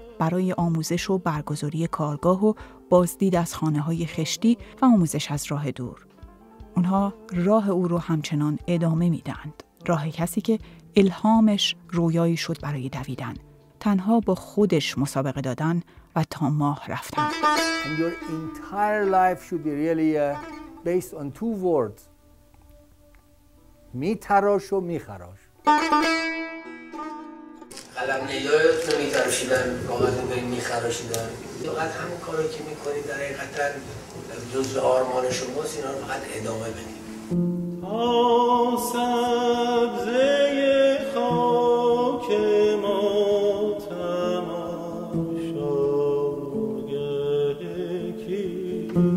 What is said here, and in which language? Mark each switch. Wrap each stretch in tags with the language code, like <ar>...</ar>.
<fa>برای آموزش و برگزاری کارگاه و بازدید از خانه های خشتی و آموزش از راه دور. اونها راه او رو همچنان ادامه میدند. راه کسی که الهامش رویایی شد برای دویدن. تنها با خودش مسابقه دادن و تا ماه رفتن.</fa> <en>And your entire life should be really based on two words.</en> <fa>می تراش و می خراش. قلم نگاهت رو می تراشیدن، کاغذ رو می خراشیدن. فقط همون کارو که می کنی در حقیقت جزء آرمان شماست، اینا رو فقط ادامه بدید. سبزه خاک ما تماشا گهکی.</fa>